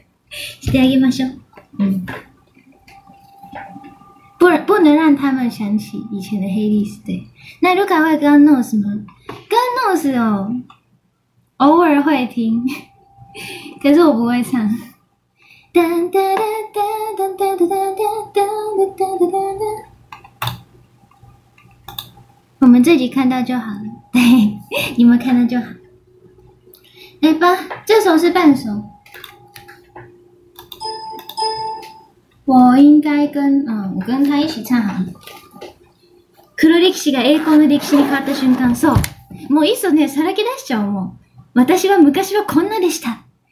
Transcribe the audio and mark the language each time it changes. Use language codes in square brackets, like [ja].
[ja] してあげましょう。 [zh] 嗯，不能让他们想起以前的黑历史。对，那如果会跟 Nos 吗？跟 Nos 哦，偶尔会听，可是我不会唱。噔噔噔噔噔噔噔噔噔噔噔噔噔噔噔。我们自己看到就好了，对，你们看到就好。来吧，这首是伴奏。我应该跟我跟他一起唱好了。 [ja] 黒歴史が栄光の歴史に変わった瞬間、そう。もういっそね、さらけ出しちゃおう、もう。私は昔はこんなでした。